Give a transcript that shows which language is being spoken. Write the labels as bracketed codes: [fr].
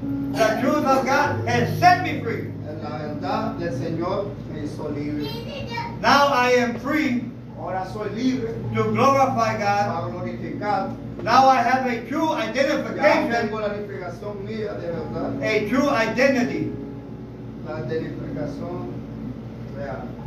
[en] The truth of God has set me free. [es] La verdad del Señor me hizo libre. [en] Now I am free. [es] Ahora soy libre. [en] To glorify God. [es] Para glorificar. [en] Now I have a true identification. [es] Ya tengo la identificación mía de verdad. [en] A true identity. [es] La identificación real.